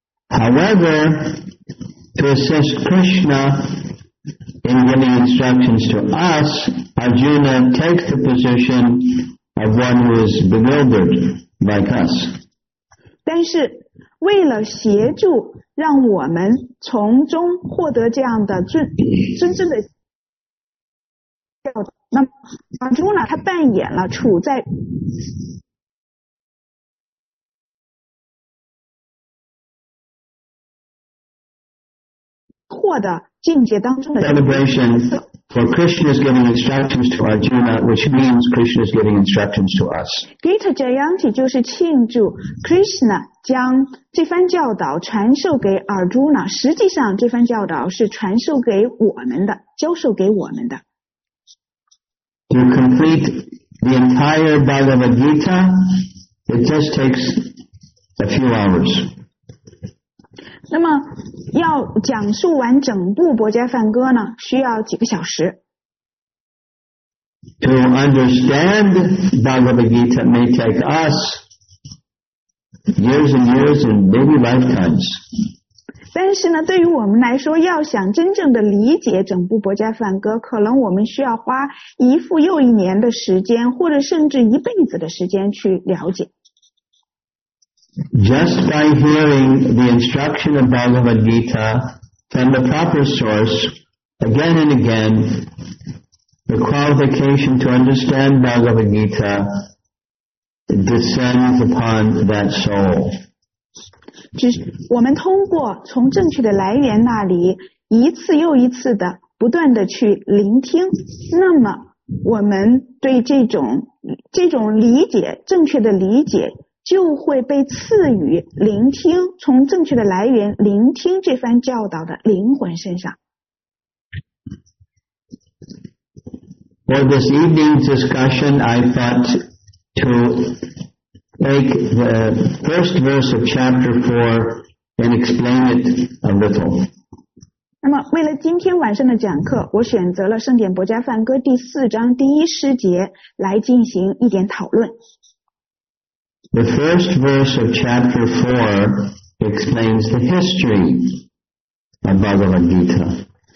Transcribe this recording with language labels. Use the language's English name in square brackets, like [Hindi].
[English] However, to assist Krishna in giving instructions to us, Arjuna takes the position of one who is bewildered like us. [Chinese] 但是为了协助让我们从中获得这样的真正的教导，那么Arjuna他扮演了处在获得境界当中的 [English] celebration for Krishna is giving instructions to Arjuna, which means Krishna is giving instructions to us. [Chinese] Gita Jayanti 就是庆祝 Krishna 将这番教导传授给 Arjuna, 实际上这番教导是传授给我们的，教授给我们的。 [English] To complete the entire Bhagavad Gita, it just takes a few hours. [Chinese] 那么要讲述完整部《博伽梵歌》呢，需要几个小时。 [English] To understand Bhagavad Gita may take us years and years and maybe lifetimes. [Chinese] 但是呢，对于我们来说，要想真正的理解整部《博伽梵歌》，可能我们需要花一副又一年的时间，或者甚至一辈子的时间去了解。 [English] Just by hearing the instruction of Bhagavad Gita from the proper source, again and again, the qualification to understand Bhagavad Gita descends upon that soul. [Chinese] 只是我们通过从正确的来源那里一次又一次的不断的去聆听，那么我们对这种理解，正确的理解就会被赐予聆听，从正确的来源聆听这番教导的灵魂身上。 [English] For this evening's discussion, I thought to take the first verse of chapter 4 and explain it a little. [Chinese] 那么为了今天晚上的讲课，我选择了圣典《博伽梵歌》第四章第一诗节来进行一点讨论。 [English] The first verse of chapter 4 explains the history of Bhagavad Gita.